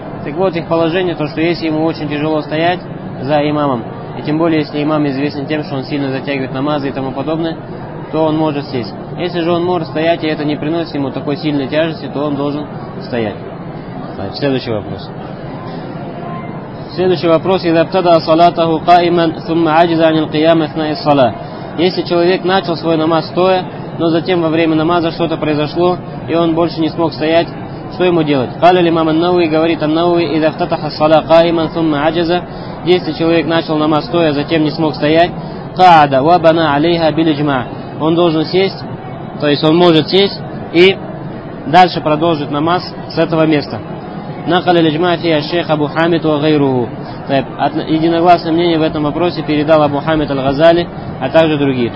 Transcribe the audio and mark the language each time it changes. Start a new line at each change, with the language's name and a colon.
Russian: Так вот их положение, то что если ему очень тяжело стоять за имамом, и тем более если имам известен тем, что он сильно затягивает намазы и тому подобное, то он может сесть. Если же он может стоять, и это не приносит ему такой сильной тяжести, то он должен стоять. Следующий вопрос. Следующий вопрос.
Arabic: إذا ابتدى صلاته قائما ثم عجز عن القيام أثناء الصلاة.
Russian: Если человек начал свой намаз стоя, но затем во время намаза что-то произошло, и он больше не смог стоять, что ему делать?
Arabic: قال الإمام النووي,
Russian: говорит
Arabic: النووي, إذا افتتح الصلاة قائما ثم عجز.
Russian: Если человек начал намаз стоя, затем не смог стоять,
Arabic: قعد وبنى عليها بالإجماع.
Russian: Он должен сесть, то есть он может сесть и дальше продолжить намаз с этого места.
Arabic: Накаля лиджма фия шейх Абу Хамид ва гайруху.
Russian: Единогласное мнение в этом вопросе передал Абу Хамид аль-Газали, а также другие.